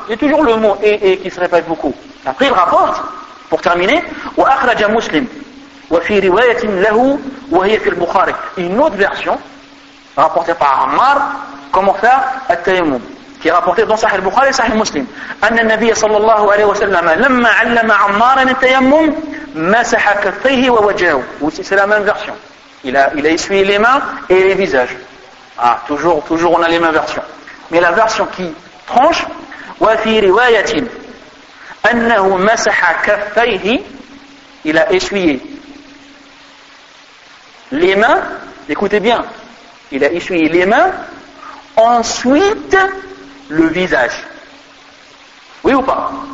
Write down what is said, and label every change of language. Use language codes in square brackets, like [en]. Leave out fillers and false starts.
[fr] Il y a toujours le mot « et » qui se répète beaucoup. Après, il rapporte, pour terminer, « [ar] wa akhraja muslim » وفي رواية له وهي في البخاري. [fr] Une autre version rapportée par Ammar, comment faire التيمم, qui est rapportée dans Sahih al-Bukhari et Sahih al-Muslim. [ar] أن النبي صلى الله عليه وسلم لما علم عمارا التيمم مسح كفيه ووجهه. [fr] C'est la même version. Il a essuyé les mains et les visages. Ah, toujours on a les mêmes versions. Mais la version qui tranche, [ar] وفي رواية أنه مسح كفيه, [fr] il a essuyé les mains, écoutez bien, il a essuyé les mains, ensuite le visage. Oui ou pas?